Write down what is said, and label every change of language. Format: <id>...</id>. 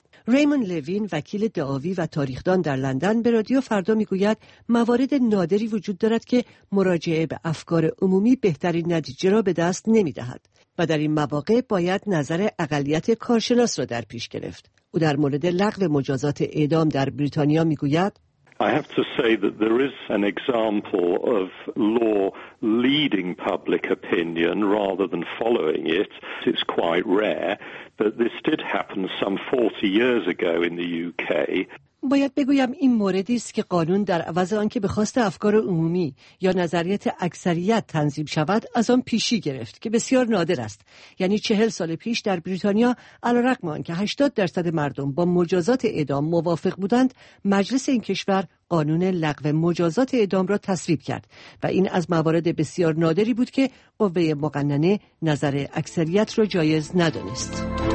<fa>ریمون لوین وکیل دعاوی و تاریخدان در لندن به رادیو فردا میگوید موارد نادری وجود دارد که مراجعه به افکار عمومی بهترین نتیجه را به دست نمیدهد و در این مواقع باید نظر اقلیت کارشناس را در پیش گرفت. او در مورد لغو مجازات اعدام در بریتانیا میگوید</fa> <en>I have to say that there is an example of law leading public opinion rather than following it. It's quite rare, but this did happen some 40 years ago in the UK.</en> <fa>باید بگویم این موردی است که قانون در عوض آن که به خواست افکار عمومی یا نظریت اکثریت تنظیم شود از آن پیشی گرفت که بسیار نادر است. یعنی 40 سال پیش در بریتانیا علی‌رغم آن که 80% مردم با مجازات اعدام موافق بودند مجلس این کشور قانون لغو مجازات اعدام را تصویب کرد و این از موارد بسیار نادری بود که قوه مقننه نظر اکثریت را جایز ندانست.</fa>